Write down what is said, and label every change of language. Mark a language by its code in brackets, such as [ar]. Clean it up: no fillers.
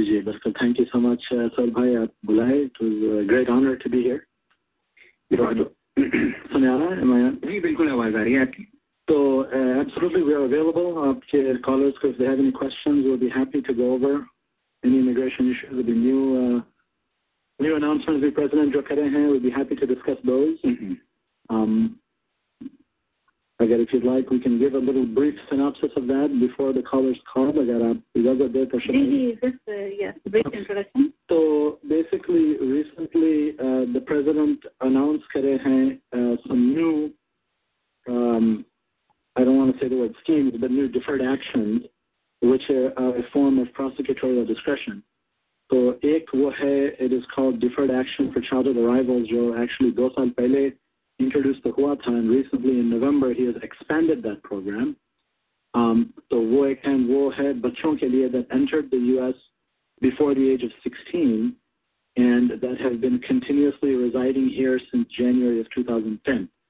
[hi] जी जी बिल्कुल [en] thank you so much sir [hi] भाई आप बुलाए [en] it was great honour to be here [hi] सुन आ रहा है जी बिल्कुल आवाज़ आ रही है आपकी [en] तो absolutely we are available [hi] आपके कॉलर्स को [en] if they have any questions we will be happy to go over any immigration issues with the new New announcements the president [hi] jo kar rahe hain [en] we'd be happy to discuss those. [hi] Agar [en] if you'd like, we can give a little brief synopsis of that before the callers call. [hi] Agar [en] you have a date or something. Yes, brief introduction. So basically, recently the president announced [hi] kar rahe hain [en] some new, I don't want to say the word schemes, but new deferred actions, which are a form of prosecutorial discretion. [hi] तो एक वो है [en] it is called deferred action for childhood arrivals [hi] जो actually दो साल पहले introduce तो हुआ था [en] and recently in November ही has expanded that program [hi] तो वो एक [en] and [hi] वो है बच्चों के लिए [en] that entered the US before the age of 16 and that has been continuously residing here since January of 2010